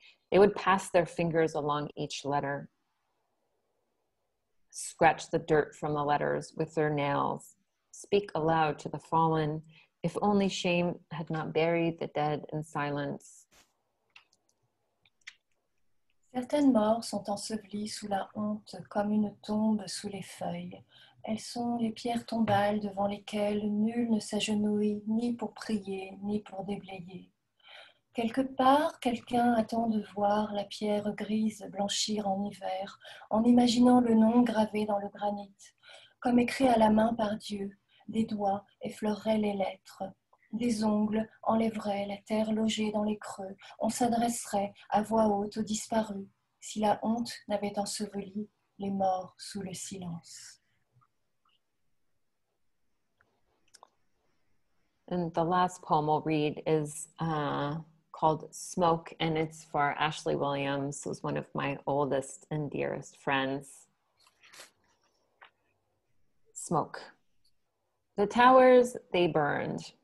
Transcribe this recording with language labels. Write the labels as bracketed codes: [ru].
[en] They would pass their fingers along each letter, scratch the dirt from the letters with their nails, speak aloud to the fallen, if only shame had not buried the dead in silence. [fr] Certaines morts sont ensevelies sous la honte comme une tombe sous les feuilles. Elles sont les pierres tombales devant lesquelles nul ne s'agenouille ni pour prier ni pour déblayer. Quelque part, quelqu'un attend de voir la pierre grise blanchir en hiver, en imaginant le nom gravé dans le granit, comme écrit à la main par Dieu, des doigts effleureraient les lettres. Des ongles enlèveraient la terre logée dans les creux. On s'adresserait à voix haute aux disparus si la honte n'avait enseveli les morts sous le silence. [en] And the last poem we'll read is called Smoke, and it's for Ashley Williams, who's one of my oldest and dearest friends. Smoke. The towers, they burned.